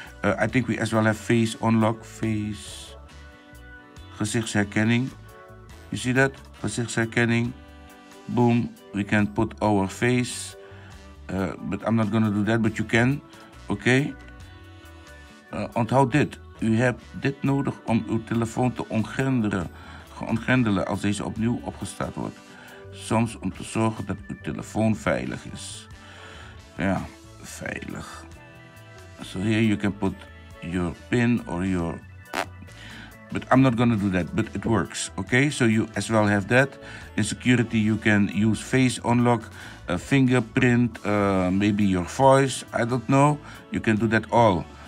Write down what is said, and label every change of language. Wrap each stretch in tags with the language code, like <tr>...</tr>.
<en>I think we as well have face unlock, face gezichtsherkenning. You see that? Gezichtsherkenning. Boom, we can put our face, but I'm not gonna do that, but you can, okay?</en> <nl>Onthoud dit. U hebt dit nodig om uw telefoon te ontgrendelen als deze opnieuw opgestart wordt. Soms om te zorgen dat uw telefoon veilig is. Ja, veilig.</nl> <en>So here you can put your pin or your... But I'm not gonna do that, but it works. Okay, so you as well have that. In security you can use face unlock, fingerprint, maybe your voice. I don't know. You can do that all.</en>